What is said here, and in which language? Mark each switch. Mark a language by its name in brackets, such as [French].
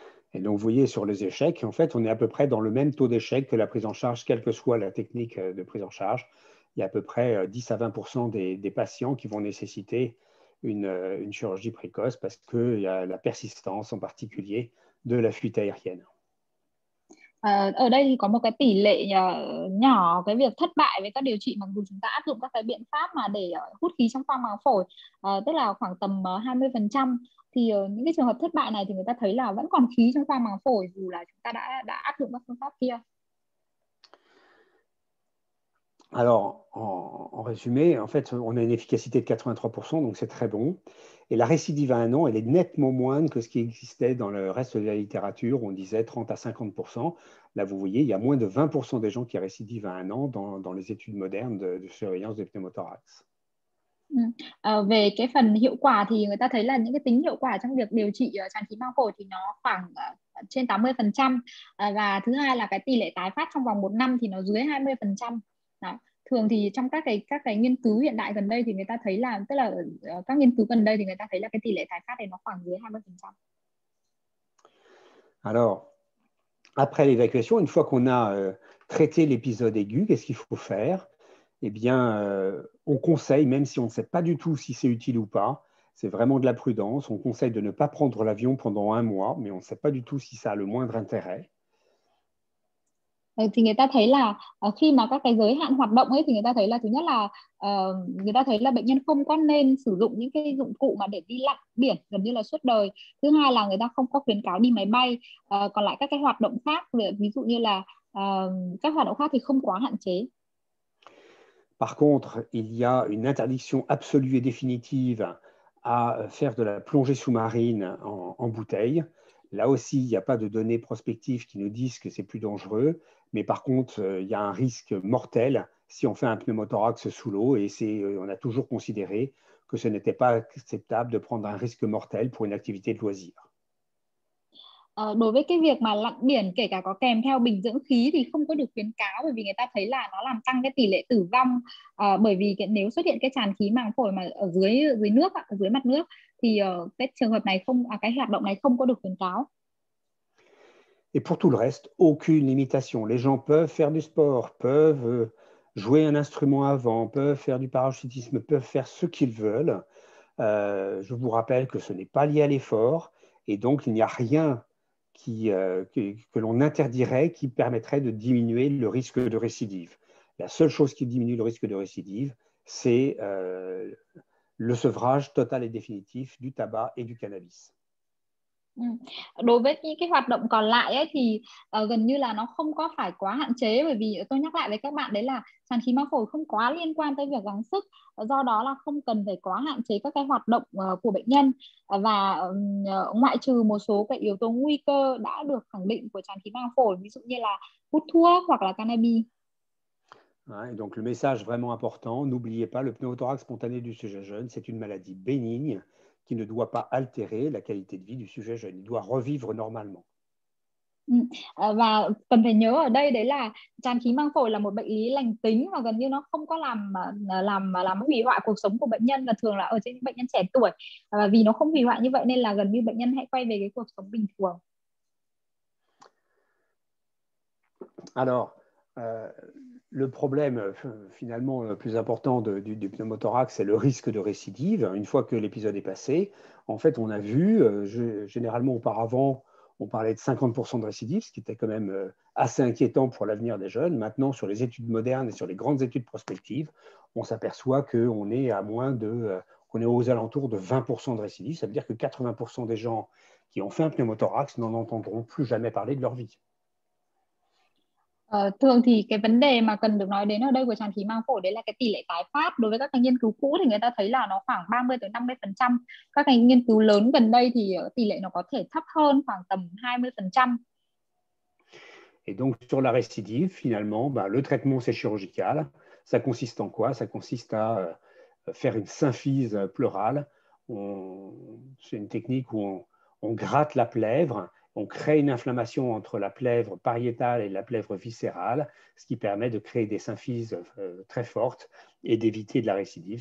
[French] Et donc, vous voyez sur les échecs, en fait, on est à peu près dans le même taux d'échec que la prise en charge, quelle que soit la technique de prise en charge. Il y a à peu près 10 à 20% des patients qui vont nécessiter une chirurgie précoce parce qu'il y a la persistance en particulier de la fuite aérienne. [Vietnamese] Ở đây thì có một cái tỷ lệ nhỏ cái việc thất bại với các điều trị mặc dù chúng ta áp dụng các cái biện pháp mà để hút khí trong khoang màng phổi, tức là khoảng tầm 20%. Thì những cái trường hợp thất bại này thì người ta thấy là vẫn còn khí trong khoang màng phổi dù là chúng ta đã áp dụng các phương pháp kia. [French] Alors, en résumé, en fait, on a une efficacité de 83%, donc c'est très bon. Et la récidive à un an, elle est nettement moindre que ce qui existait dans le reste de la littérature. On disait 30 à 50%. Là, vous voyez, il y a moins de 20% des gens qui récidivent à un an dans les études modernes de surveillance des pneumothorax. [Vietnamese] Về cái phần hiệu quả thì người ta thấy là những cái tính hiệu quả trong việc điều trị tràn khí màng phổi thì nó khoảng trên 80%. Và thứ hai là cái tỷ lệ tái phát trong vòng 1 năm thì nó dưới 20%. Đó. Thường thì trong các cái nghiên cứu hiện đại gần đây thì người ta thấy là tức là các nghiên cứu gần đây thì người ta thấy là cái tỷ lệ tái phát này nó khoảng dưới 20%. [French] Alors, après l'évacuation, une fois qu'on a traité l'épisode aigu, qu'est-ce qu'il faut faire? Eh bien, on conseille, même si on ne sait pas du tout si c'est utile ou pas, c'est vraiment de la prudence, on conseille de ne pas prendre l'avion pendant un mois, mais on ne sait pas du tout si ça a le moindre intérêt. [Vietnamese] Thì người ta thấy là khi mà các cái giới hạn hoạt động ấy thì người ta thấy là thứ nhất là người ta thấy là bệnh nhân không có nên sử dụng những cái dụng cụ mà để đi lặn biển gần như là suốt đời. Thứ hai là người ta không có khuyến cáo đi máy bay. Còn lại các cái hoạt động khác, ví dụ như là các hoạt động khác thì không quá hạn chế. [French] Par contre, il y a une interdiction absolue et définitive à faire de la plongée sous-marine en bouteille. Là aussi, il n'y a pas de données prospectives qui nous disent que c'est plus dangereux. Mais par contre, il y a un risque mortel si on fait un pneumothorax sous l'eau. Et on a toujours considéré que ce n'était pas acceptable de prendre un risque mortel pour une activité de loisir. [Vietnamese] Đối với cái việc mà lặn biển kể cả có kèm theo bình dưỡng khí thì không có được khuyến cáo bởi vì người ta thấy là nó làm tăng cái tỷ lệ tử vong bởi vì nếu xuất hiện cái tràn khí màng phổi mà ở dưới nước ở dưới mặt nước thì cái trường hợp này không cái hoạt động này không có được khuyến cáo. [French] Et pour tout le reste, aucune limitation. Les gens peuvent faire du sport, peuvent jouer un instrument avant, peuvent faire du parachutisme, peuvent faire ce qu'ils veulent. Je vous rappelle que ce n'est pas lié à l'effort et donc il n'y a rien que l'on interdirait, qui permettrait de diminuer le risque de récidive. La seule chose qui diminue le risque de récidive, c'est le sevrage total et définitif du tabac et du cannabis. [Vietnamese] Đối với những cái hoạt động còn lại ấy, thì gần như là nó không có phải quá hạn chế bởi vì tôi nhắc lại với các bạn đấy là tràn khí màng phổi không quá liên quan tới việc gắng sức do đó là không cần phải quá hạn chế các cái hoạt động của bệnh nhân và ngoại trừ một số cái yếu tố nguy cơ đã được khẳng định của tràn khí màng phổi ví dụ như là hút thuốc hoặc là cannabis. [French] Et donc le message vraiment important, n'oubliez pas le pneumothorax spontané du sujet jeune, c'est une maladie bénigne qui ne doit pas altérer la qualité de vie du sujet jeune. Il doit revivre normalement. [Vietnamese] Và cần phải nhớ ở đây đấy là tràn khí màng phổi là một bệnh lý lành tính và gần như nó không có làm hủy hoại cuộc sống của bệnh nhân và thường là ở trên bệnh nhân trẻ tuổi. Và vì nó không hủy hoại như vậy nên là gần như bệnh nhân hãy quay về cái cuộc sống bình thường. [French] Alors, le problème finalement le plus important du pneumothorax, c'est le risque de récidive. Une fois que l'épisode est passé, en fait, on a vu, généralement auparavant, on parlait de 50% de récidive, ce qui était quand même assez inquiétant pour l'avenir des jeunes. Maintenant, sur les études modernes et sur les grandes études prospectives, on s'aperçoit qu'on est qu'on est aux alentours de 20% de récidive. Ça veut dire que 80% des gens qui ont fait un pneumothorax n'en entendront plus jamais parler de leur vie. [Vietnamese] Thường thì cái vấn đề mà cần được nói đến ở đây của tràn khí màng phổi đấy là cái tỷ lệ tái phát. Đối với các cái nghiên cứu cũ thì người ta thấy là nó khoảng 30-50%. Các cái nghiên cứu lớn gần đây thì tỷ lệ nó có thể thấp hơn khoảng tầm 20%. [French] Et donc sur la récidive, finalement, le traitement c'est chirurgical. Ça consiste en quoi? Ça consiste à faire une symphyse pleurale. C'est une technique où on gratte la plèvre, on crée une inflammation entre la plèvre pariétale et la plèvre viscérale, ce qui permet de créer des symphyses très fortes et d'éviter de la récidive.